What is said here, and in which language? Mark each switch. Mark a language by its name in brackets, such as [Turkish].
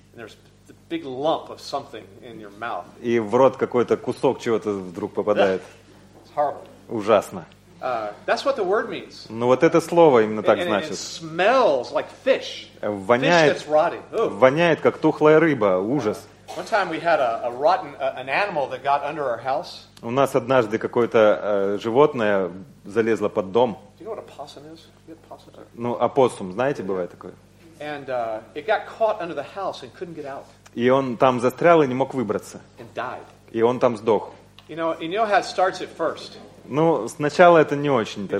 [English] And there's a big lump of something in your mouth. [Russian] И в рот какой-то кусок чего-то вдруг попадает. [English] It's horrible. [Russian] Ужасно. [English] That's what the word means. [Russian] Ну вот это слово именно так значит. [English] It smells like fish. [Russian] Воняет. [English] Fish that's rotting. Ooh. [Russian] Воняет как тухлая рыба. Ужас. [English] One time we had a rotten an animal that got under our house. [Russian] У нас однажды какое-то животное залезло под дом. [English] Do you know what a possum is? You had possum. [Russian] Ну, опоссум, знаете, бывает такое. [English] And it got caught under the house and couldn't get out. [Russian] И он там застрял и не мог выбраться. [English] And died. [Russian] И он там сдох. [English] You know how it starts at first. [Russian] Ну, сначала это не очень-то